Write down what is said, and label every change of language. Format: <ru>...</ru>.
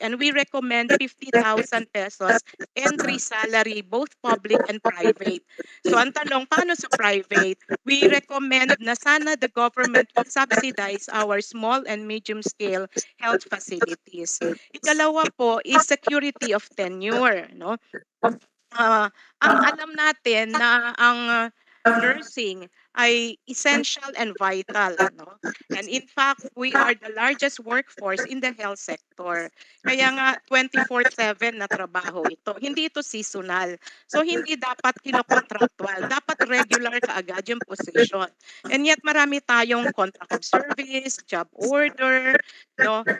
<en>And we recommend 50,000 pesos entry salary, both public and private.</en> <tl>So ang tanong, paano sa private?</tl> <en>We recommend</en> <tl>na sana</tl> <en>the government will subsidize our small and medium scale health facilities.</en> <tl>Ikalawa po</tl> <en>is security of tenure. No?</en> <tl>Ang alam natin na ang nursing ay</tl> <en>essential and vital,</en> <tl>no?</tl> <en>And in fact, we are the largest workforce in the health sector.</en> <tl>Kaya nga 24/7 na trabaho ito. Hindi ito seasonal. So hindi dapat kinokontraktual. Dapat regular kaagad yung position.</tl> <en>And yet</en> <tl>marami tayong</tl> <en>contract of service, job order, no?</en>